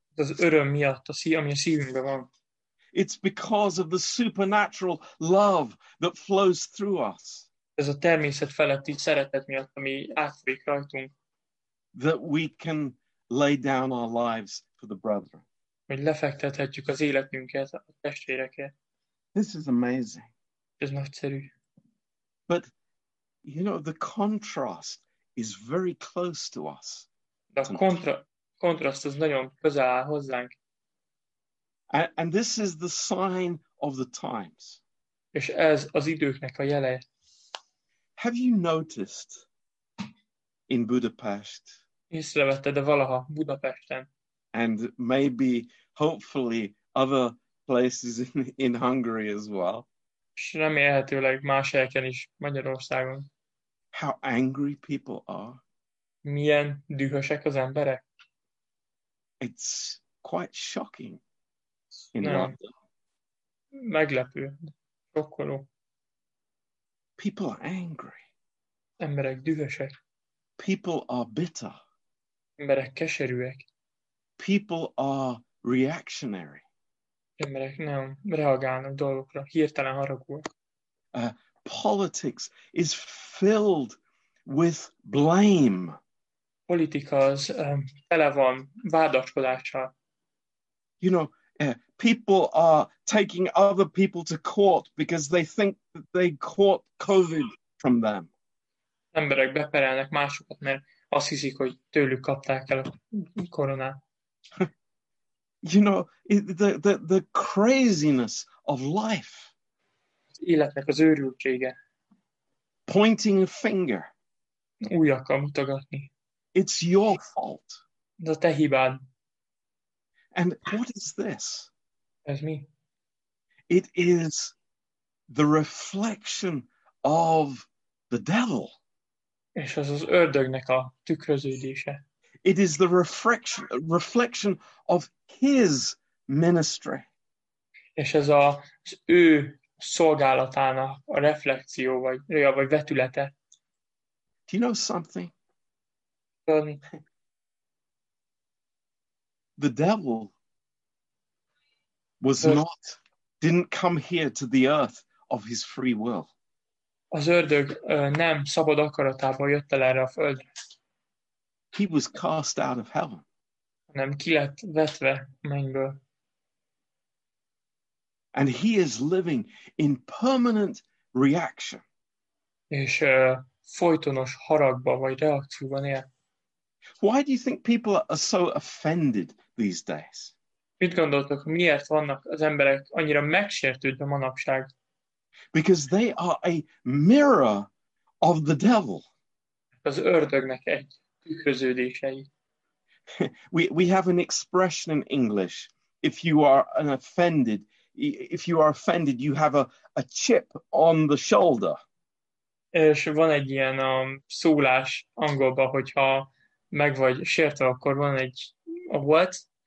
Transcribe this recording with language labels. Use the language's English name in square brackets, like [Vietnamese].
[Hungarian] Ez az öröm miatt, ami a szívünkben van. [English] It's because of the supernatural love that flows through us. [Hungarian] Ez a természet feletti szeretet miatt, ami átfolyik rajtunk. [English] That we can lay down our lives for the brethren. [Hungarian] Hogy lefektethetjük az életünket a testvérekért. [English] This is amazing. [Hungarian] Ez nagyszerű. [English] But, you know, the contrast is very close to us. [Hungarian] De a kontraszt az nagyon közel áll hozzánk. [English] And this is the sign of the times. [Hungarian] És ez az időknek a jele. [English] Have you noticed in Budapest? [Hungarian] Észrevetted-e valaha Budapesten? [English] And maybe, hopefully, other places in Hungary as well. [Hungarian] És remélhetőleg más helyeken is Magyarországon. [English] How angry people are. [Hungarian] Milyen dühösek az emberek. [English] It's quite shocking. [Hungarian] Meglepő, sokkoló. [English] People are angry. [Hungarian] Emberek dühösek. [English] People are bitter. [Hungarian] Emberek keserűek. [English] People are reactionary. [Hungarian] Emberek nem reagálnak dolgokra, hirtelen haragulnak. [English] Politics is filled with blame. [Hungarian] Politika az tele van vádaskodással. [English] You know, people are taking other people to court because they think that they caught COVID from them. [Hungarian] Emberek beperelnek másokat, mert azt hiszik, hogy tőlük kapták el a koronát. [English] You know, the craziness of life. [Hungarian] Az életnek az őrültsége. [English] Pointing a finger. [Hungarian] Újakkal mutogatni. [English] It's your fault. [Hungarian] De te hibád. [English] And what is this? [Hungarian] Ez mi? [English] It is the reflection of the devil. [Hungarian] És ez az ördögnek a tükröződése. [English] It is the reflection of his ministry. [Hungarian] És ez az ő szolgálatának a reflekció vagy vetülete. [English] Do you know something? The devil didn't come here to the earth of his free will. [Hungarian] Az ördög nem szabad akaratával jött el erre a földre. [English] He was cast out of heaven. [Hungarian] Nem, ki lett vetve mennyből. [English] And he is living in permanent reaction. [Hungarian] És folytonos haragban vagy reakcióban él. [English] Why do you think people are so offended these days? [Hungarian] Mit gondoltok, miért vannak az emberek annyira megsértődve manapság? [English] Because they are a mirror of the devil. [Hungarian] Az ördögnek egy tükröződései. [English] We have an expression in English. If you are offended, you have a chip on the shoulder. [Hungarian] És van egy ilyen szólás angolban, hogyha meg vagy sértve, akkor van egy a [English] what?